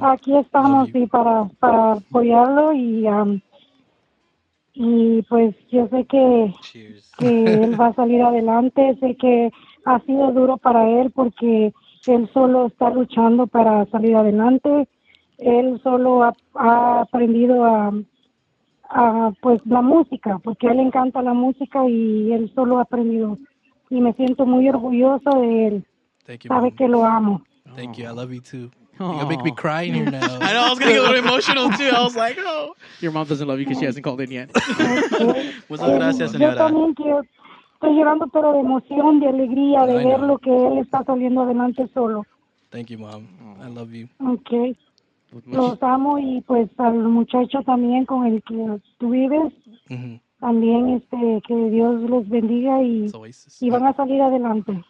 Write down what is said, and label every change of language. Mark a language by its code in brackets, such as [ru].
[es] Aquí estamos y para apoyarlo y pues yo sé que él va a salir adelante, sé que ha sido duro para él porque él solo está luchando para salir adelante. Él solo ha aprendido a pues la música, porque a él le encanta la música y él solo ha aprendido y me siento muy orgulloso de él. [en] Thank you, [es] sabe [en] mom. [es] Que lo amo. [en] Thank you. I love you too. You're gonna make me cry in here now. I know, I was gonna get a little emotional too. I was like, oh. Your mom doesn't love you because she hasn't called in yet. [es] Muchas gracias, señora. Yo también quiero, estoy llorando, pero de emoción, de alegría, de ver lo que él está saliendo adelante solo. [en] Thank you, mom. I love you. Okay. [es] Los amo y pues al muchacho también con el que tú vives. Mm-hmm. También que Dios los bendiga y van a salir adelante.